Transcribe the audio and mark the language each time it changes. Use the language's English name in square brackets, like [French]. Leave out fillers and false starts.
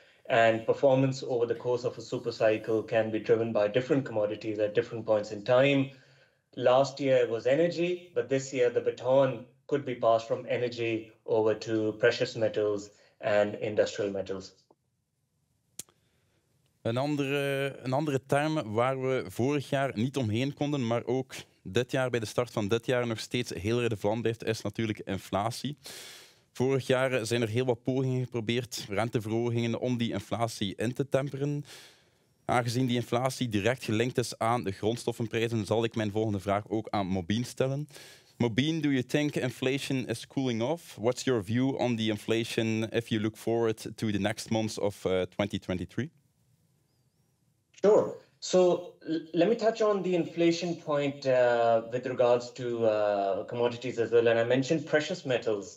[English] And performance over the course of a super cycle can be driven by different commodities at different points in time. Last year it was energy, but this year the baton could be passed from energy over to precious metals and industrial metals. [Dutch] Een andere term waar we vorig jaar niet omheen konden, maar ook dit jaar, bij de start van dit jaar, nog steeds heel relevant heeft, is natuurlijk inflatie. Vorig jaar zijn er heel wat pogingen geprobeerd, renteverhogingen, om die inflatie in te temperen. Aangezien die inflatie direct gelinkt is aan de grondstoffenprijzen, zal ik mijn volgende vraag ook aan Mobien stellen. [English] Mobien, do you think inflation is cooling off? What's your view on the inflation if you look forward to the next months of 2023? Sure. So let me touch on the inflation point with regards to commodities as well. And I mentioned precious metals.